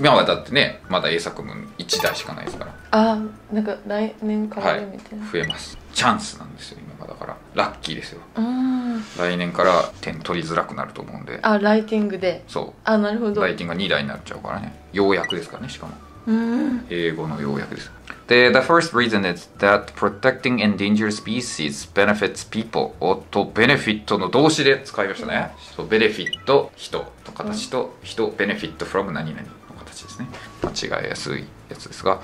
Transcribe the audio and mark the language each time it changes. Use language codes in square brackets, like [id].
[ja] 今はだってね、まだ英作文1台しかないですから。ああ、なんか来年からみたいな、はい。増えます。チャンスなんですよ、今が。だから、ラッキーですよ。うん。来年から点取りづらくなると思うんで。あ、ライティングで。そう。あ、なるほど。ライティングが2台になっちゃうからね。ようやくですからね、しかも。英語の要約です。 [en] The first reason is that protecting endangered species benefits people. [ja] おっと、ベネフィットの動詞で使いましたね。そう、ベネフィット、人の形と、人、ベネフィット from 何々の形ですね。間違いやすいやつですが。